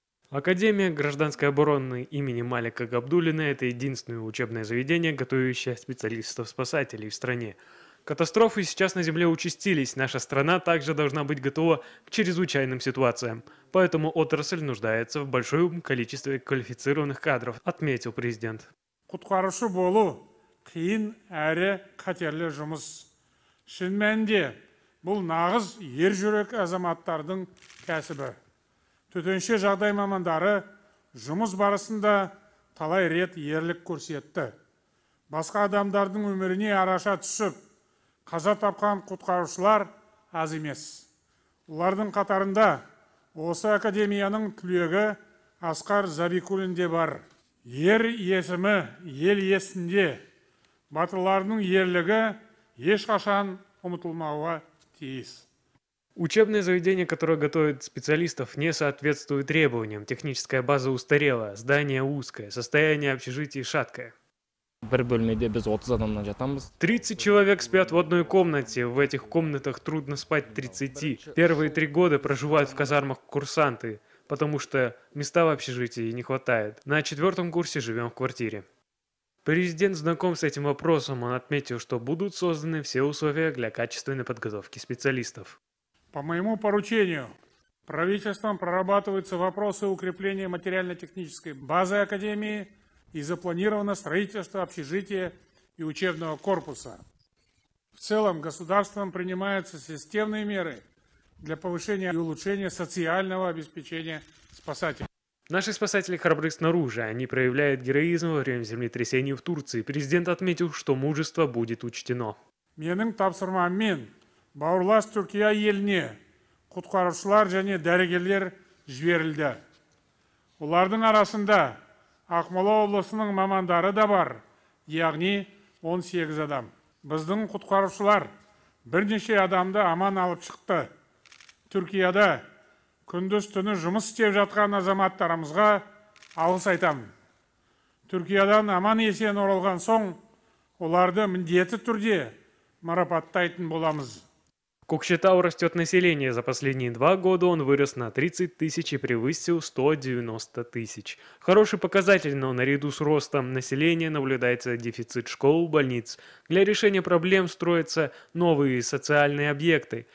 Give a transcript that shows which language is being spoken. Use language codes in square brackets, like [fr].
[ru] Академия гражданской обороны имени Малика Габдуллина – это единственное учебное заведение, готовящее специалистов-спасателей в стране. Катастрофы сейчас на земле участились. Наша страна также должна быть готова к чрезвычайным ситуациям. Поэтому отрасль нуждается в большом количестве квалифицированных кадров, отметил президент. [kk] Куткарушу болу, кейн әрі қатерлі жұмыс. Шынменде, бұл нағыз ер жүрек азаматтардың кәсібі. Төтенше жағдай мамандары жұмыс барысында талай рет ерлік көрсетті. Басқа адамдардың өміріне араша түсіп, қаза тапқан құтқарушылар аз емес. Олардың қатарында осы академияның түлегі Асқар Забикулин де бар. Ер есімі ел есінде, батырлардың ерлігі ешқашан ұмытылмауға тиіс. [ru] Учебное заведение, которое готовит специалистов, не соответствует требованиям. Техническая база устарела, здание узкое, состояние общежитий шаткое. 30 человек спят в одной комнате. В этих комнатах трудно спать 30. Первые 3 года проживают в казармах курсанты, потому что места в общежитии не хватает. На 4-м курсе живем в квартире. Президент знаком с этим вопросом. Он отметил, что будут созданы все условия для качественной подготовки специалистов. По моему поручению, правительством прорабатываются вопросы укрепления материально-технической базы Академии и запланировано строительство общежития и учебного корпуса. В целом, государством принимаются системные меры для повышения и улучшения социального обеспечения спасателей. Наши спасатели храбры снаружи, они проявляют героизм во время землетрясений в Турции. Президент отметил, что мужество будет учтено. [kk] Менің тапсырмам мен. Бауырлас Түркия еліне құтқарушылар және дәрігерлер жіберілді. Олардың арасында Ақмола облысының мамандары да бар, яғни 18 адам. Біздің құтқарушылар бірнеше адамды аман алып шықты. Түркияда күндіз-түні жұмыс істеп жатқан азаматтарымызға алғыс айтамын. Түркиядан аман есен оралған соң оларды міндетті түрде марапаттайтын боламыз. [ru] Кокшетау растет население. За последние 2 года он вырос на 30 тысяч и превысил 190 тысяч. Хороший показатель, но наряду с ростом населения наблюдается дефицит школ, больниц. Для решения проблем строятся новые социальные объекты.